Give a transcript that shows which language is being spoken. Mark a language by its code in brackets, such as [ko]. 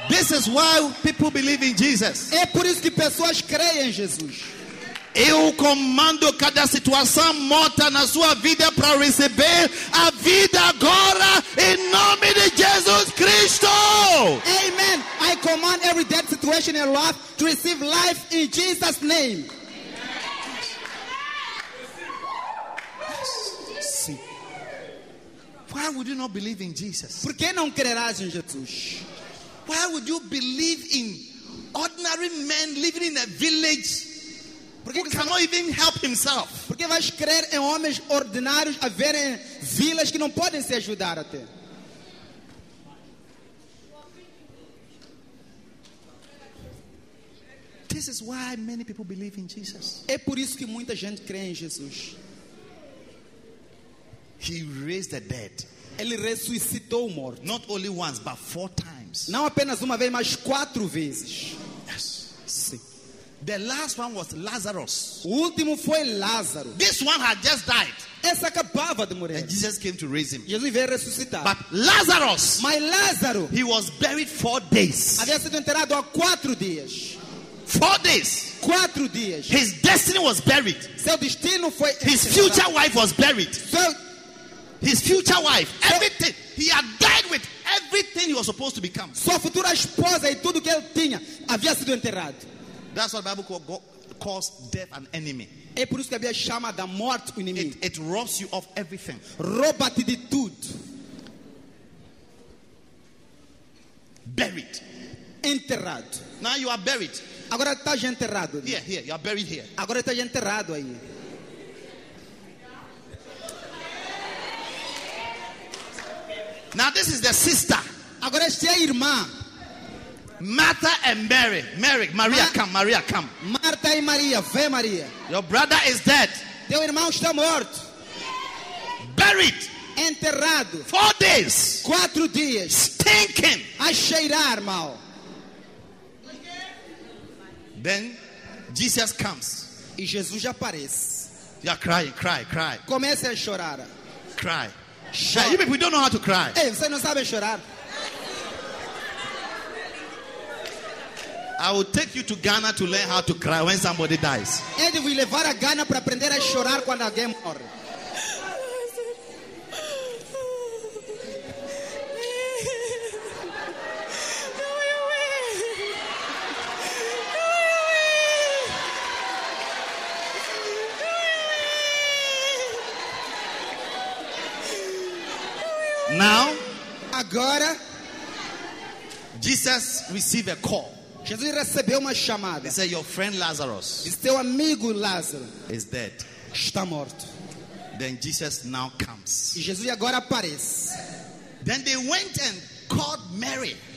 [en] This is why people believe in Jesus. [pt] É por isso que pessoas creem em Jesus. Eu comando cada situação morta na sua vida para receber a vida agora em nome de Jesus Cristo. [en] Amen. I command every dead situation in life to receive life in Jesus' name. [pt] Sim. [en] Why would you not believe in Jesus? [pt] Por que não crerás em Jesus? [en] Why would you believe in ordinary men living in a village [pt] porque [en] who cannot even help himself? [pt] Porque vais crer em homens ordinários a verem vilas que não podem se ajudar até? [en] This is why many people believe in Jesus. [pt] É por isso que muita gente crê em Jesus. [en] He raised the dead. [pt] Ele ressuscitou o morto. [en] Not only once, but four times. [pt] Não apenas uma vez, mas quatro vezes. [en] Yes. [pt] Sim. [en] The last one was Lazarus. [pt] O último foi Lázaro. [en] This one had just died. [pt] Essa acabava de morrer. [en] And Jesus came to raise him. [pt] Jesus veio ressuscitar. [en] But Lazarus. My Lázaro. He was buried 4 days. [pt] Havia sido enterrado há 4 dias. [en] 4 days. [pt] 4 dias. [en] His destiny was buried. [pt] Seu destino foi enterrado. [en] His future wife was buried. His future wife, everything. He had died with everything he was supposed to become. [pt] Sua futura esposa e tudo que ele tinha havia sido enterrado. [en] That's what the Bible calls death an enemy. [pt] É por isso que a Bíblia chama da morte o inimigo. [en] It robs you of everything. [pt] Rouba-te de tudo. [en] Buried. [pt] Enterrado. [en] Now you are buried. [pt] Agora estás enterrado. Né? [en] Here, here. You are buried here. [pt] Agora estás enterrado aí. [en] Now this is the sister. [pt] Agora esta é a irmã. [en] Martha and Mary. Mary, Maria, come. Maria, come. [pt] Marta e Maria, vem Maria. [en] Your brother is dead. [pt] Teu irmão está morto. [en] Buried. [pt] Enterrado. [en] 4 days. [pt] 4 dias. [en] Stinking. [pt] A cheirar mal. [en] Then Jesus comes. [pt] E Jesus já aparece. [en] You are crying, cry. [pt] Comece a chorar. [en] Cry. [pt] Chora. [en] Hey, you people don't know how to cry. [pt] Ei, você não sabe chorar. [en] I will take you to Ghana to learn how to cry when somebody dies. [pt] Eu te vou levar a Ghana para aprender a chorar quando alguém morre. [en] Now, [pt] agora, [en] Jesus received a call. [pt] Jesus recebeu uma chamada. [en] He said, "Your friend Lazarus, [pt] seu amigo Lázaro, [en] is dead. [pt] Está morto." [en] Then Jesus now comes. [pt] E Jesus agora aparece. [en] Then they went and called Mary.